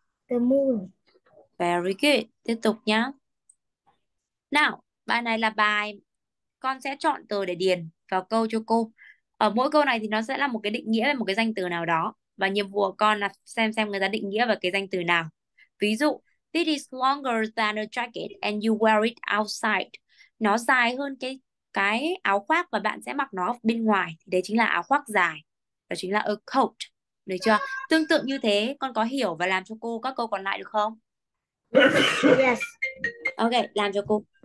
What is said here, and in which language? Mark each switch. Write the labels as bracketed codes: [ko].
[en] moon. Very good. [vi] Tiếp tục nhá. Nào, bài này là bài con sẽ chọn từ để điền vào câu cho cô. Ở mỗi câu này thì nó sẽ là một cái định nghĩa về một cái danh từ nào đó. Và nhiệm vụ của con là xem người ta định nghĩa về cái danh từ nào. Ví dụ, [en] this is longer than a jacket and you wear it outside. [vi] Nó dài hơn cái áo khoác và bạn sẽ mặc nó bên ngoài. Thì đấy chính là áo khoác dài. Đó chính là [en] a coat. [vi] Được chưa? Tương tự như thế, con có hiểu và làm cho cô các câu còn lại được không? Ok, làm cho cô.